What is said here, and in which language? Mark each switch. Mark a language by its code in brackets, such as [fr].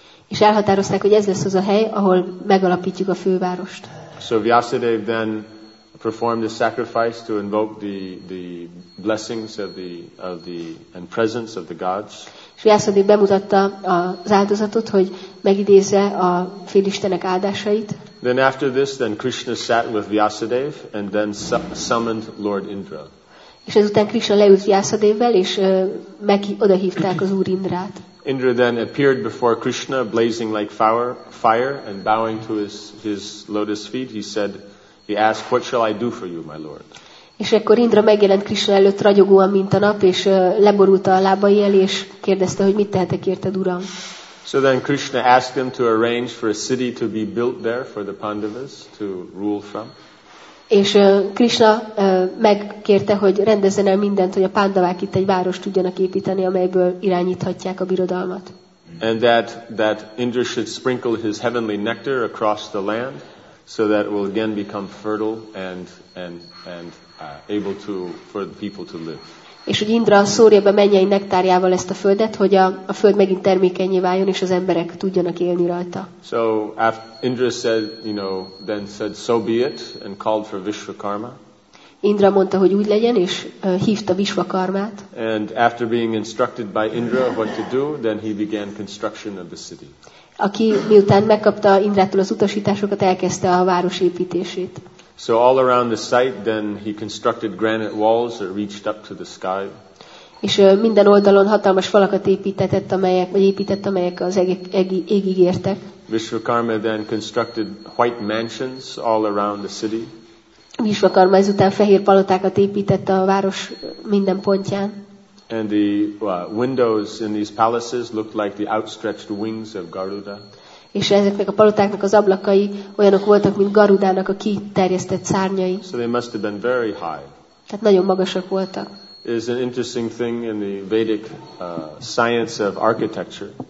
[hu] És elhatározták, hogy ez lesz az a hely, ahol megalapítjuk a fővárost. [en] So Vyasadev then performed the sacrifice to invoke the blessings of the and presence of the gods. [hu] És Vyasadev bemutatta az áldozatot, hogy megidézze a félistenek áldásait. [en] Then after this, then Krishna sat with Vyasadev and then summoned Lord Indra. [hu] És ezután Krishna leült Vyasadevvel, és odahívták az Úr Indrát. [en] Indra then appeared before Krishna, blazing like fire, and bowing to his lotus feet, he asked, "What shall I do for you, my lord?" [hu] És ekkor Indra megjelent Krishna előtt ragyogóan, mint a nap, és leborult a lábai elé, és kérdezte, hogy mit tehetek érted, Uram? [en] So then Krishna asked him to arrange for a city to be built there for the Pandavas to rule from. [hu] És Krishna megkérte, hogy rendezzen el mindent, hogy a pándavák itt egy várost tudjanak építeni, amelyből irányíthatják a birodalmat. [en] And that Indra should sprinkle his heavenly nectar across the land, so that it will again become fertile and able to for the people to live. [hu] És hogy Indra szórja be mennyei nektárjával ezt a földet, hogy a föld megint termékenyé váljon, és az emberek tudjanak élni rajta. [en] So after Indra said, then said, "So be it," and called for Vishvakarma. [hu] Indra mondta, hogy úgy legyen, és hívta Vishvakarmát. [en] And after being instructed by Indra what to do, then he began construction of the city. [hu] Aki miután megkapta Indrától az utasításokat, elkezdte a város építését. [en] So all around the site, then he constructed granite walls that reached up to the sky. [hu] És minden oldalon hatalmas falakat építetett, amelyek az égig értek. [en] Vishvakarma then constructed white mansions all around the city. [hu] Vishvakarma ezután fehér palotákat épített a város minden pontján. [en] And the windows in these palaces looked like the outstretched wings of Garuda. [hu] És ezeknek a palotáknak az ablakai olyanok voltak, mint Garudának a kiterjesztett szárnyai. [en] So they must have been very high. [hu] Tehát nagyon magasak voltak. [en] is an interesting thing in the Vedic science of architecture.